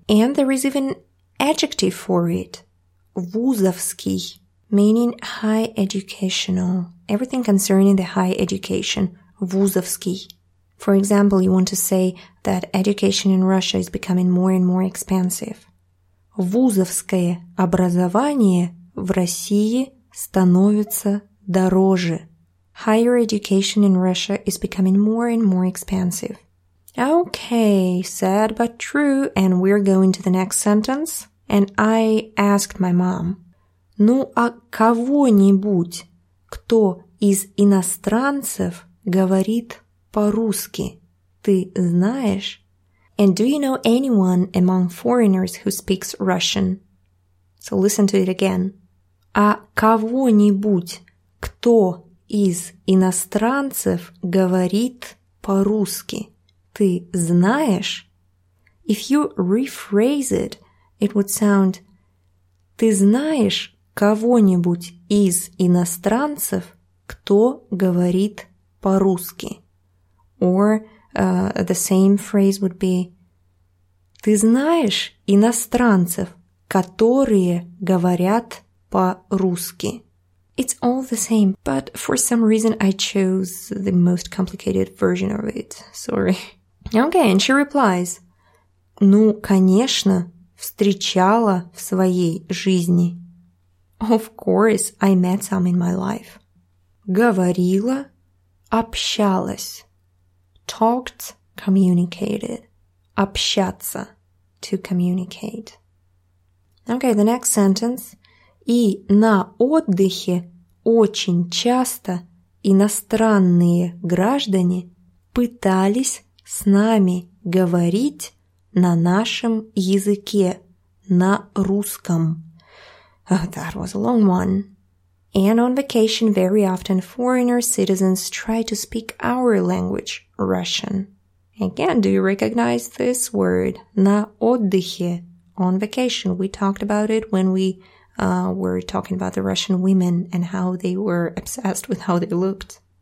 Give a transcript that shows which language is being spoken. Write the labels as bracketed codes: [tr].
[en] And there is even adjective for it, вузовский, meaning high educational, everything concerning the high education, вузовский. For example, you want to say that education in Russia is becoming more and more expensive. [ru] Вузовское образование в России становится дороже. [en] Higher education in Russia is becoming more and more expensive. Okay, sad but true, and we're going to the next sentence. And I asked my mom, [ru] ну а кого-нибудь, кто из иностранцев говорит по-русски, ты знаешь? [en] And do you know anyone among foreigners who speaks Russian? So listen to it again. [ru] А кого-нибудь, кто из иностранцев говорит по-русски, ты знаешь? [en] If you rephrase it, it would sound, [ru] ты знаешь кого-нибудь из иностранцев, кто говорит по-русски? [en] Or the same phrase would be, [ru] ты знаешь иностранцев, которые говорят по-русски? [en] It's all the same, but for some reason I chose the most complicated version of it. Sorry. Okay, and she replies, [ru] ну, конечно, встречала в своей жизни. [en] Of course, I met some in my life. [ru] Говорила, общалась. [en] Talked, communicated. Общаться, to communicate. Okay, the next sentence. [ru] И на отдыхе очень часто иностранные граждане пытались с нами говорить на нашем языке, на русском. [en] Oh, that was a long one. And on vacation, very often foreigner citizens try to speak our language, Russian. Again, do you recognize this word? [ru] На отдыхе, [en] on vacation. We talked about it when we were talking about the Russian women and how they were obsessed with how they looked.